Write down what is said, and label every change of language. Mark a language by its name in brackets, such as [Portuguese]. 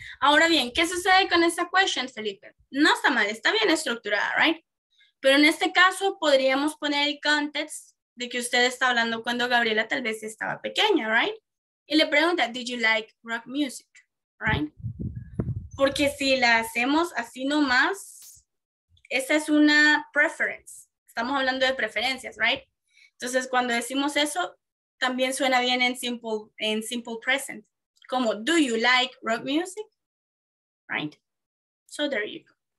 [Spanish] Ahora bien, ¿qué sucede con esa question, Felipe? No está mal, está bien estructurada, right? Pero en este caso podríamos poner el context de que usted está hablando cuando Gabriela tal vez estaba pequeña, right? Y le pregunta, [English] did you like rock music, right? [Spanish] Porque si la hacemos así nomás, esa es una preference. Estamos hablando de preferencias, [English] right? [Spanish] Entonces, cuando decimos eso, también suena bien en simple present. Como, [English] do you like rock music? Right? So there you go.